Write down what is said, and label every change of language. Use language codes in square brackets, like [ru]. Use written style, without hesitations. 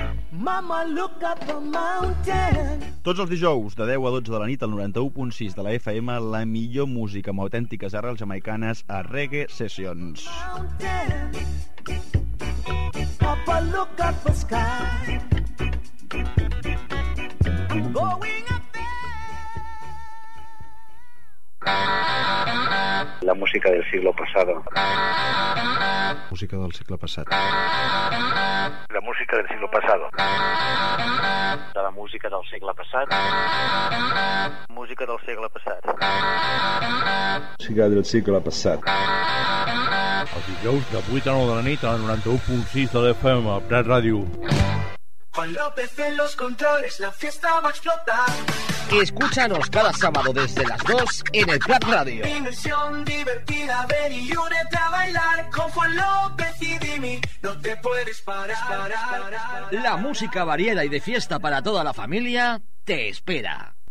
[en] Mama, look up the mountain. [ca] Tots els dijous, de 10 a 12 de la nit, al 91.6 de la FM, la millor música amb autèntiques arrels jamaicanes a Reggae Sessions. [es] La música del siglo pasado. [ca] Música del segle passat. [es] La música del siglo pasado. [ca] De la música del segle passat. Música del segle passat. Música del segle passat. Els dijous de 8 a 9 de la nit a la 91.6 de l'FM a Prat Ràdio. [es] Juan López en los controles, la fiesta va a explotar. Escúchanos cada sábado desde las 2 en el Prat Radio. Diversión divertida, ven y únete a bailar con Juan López y Dimi, no te puedes parar. La música variada y de fiesta para toda la familia te espera.